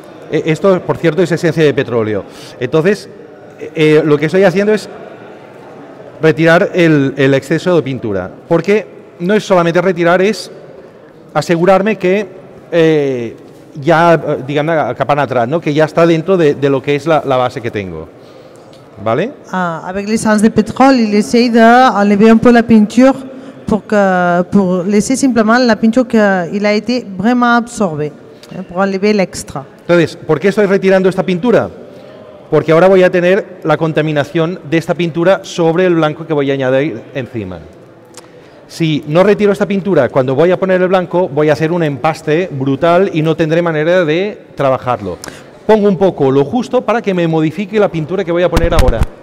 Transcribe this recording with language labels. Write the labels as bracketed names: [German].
[Spanish] Esto, por cierto, es esencia de petróleo. Entonces, lo que estoy haciendo es retirar el exceso de pintura. Porque no es solamente retirar, es asegurarme que ya, digamos, capan atrás, ¿no? Que ya está dentro de lo que es la base que tengo. ¿Vale? [French] Ah, avec l'essence de pétrole, il essaye d'enlever un peu la peinture. Pour laisser simplement la peinture qu'il a été vraiment absorbée, pour enlever l'extra. [Spanish] Entonces, ¿por qué estoy retirando esta pintura? Porque ahora voy a tener la contaminación de esta pintura sobre el blanco que voy a añadir encima. Si no retiro esta pintura, cuando voy a poner el blanco, voy a hacer un empaste brutal y no tendré manera de trabajarlo. Pongo un poco lo justo para que me modifique la pintura que voy a poner ahora.